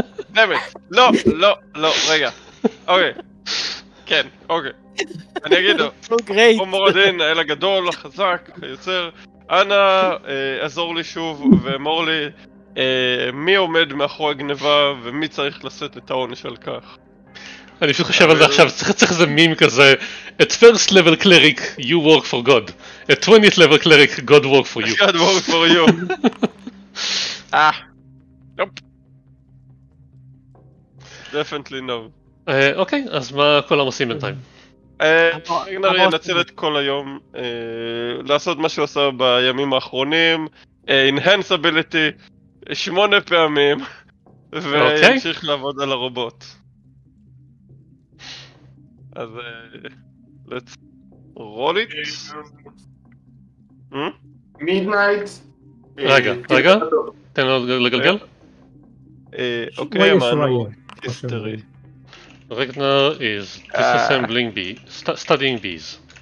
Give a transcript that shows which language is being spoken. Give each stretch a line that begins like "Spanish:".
Hebrew: באמת, לא, לא, לא, רגע. אוקיי. כן, אוקיי. אני אגיד לו. הוא מורדין, האל הגדול, החזק, היוצר. אנא, עזור לי שוב ואמור לי מי עומד מאחורי הגניבה ומי צריך לשאת את העונש על כך. אני פשוט חושב על זה עכשיו, צריך איזה מים כזה.
English: At first level cleric, you work for God. At 20th level cleric, God work for you. God work for you. Definitely no.
Hebrew: אוקיי, אז מה כולם עושים בינתיים? רגנר ינצל את כל היום לעשות מה שהוא עשה בימים האחרונים, enhance ability 8 פעמים, וימשיך לעבוד על הרובוט. אז
English: let's roll it. Midnight.
Hebrew: רגע, תן לו לגלגל. אוקיי, אמנו, היסטרי.
English: Ragnar is disassembling bees, studying bees.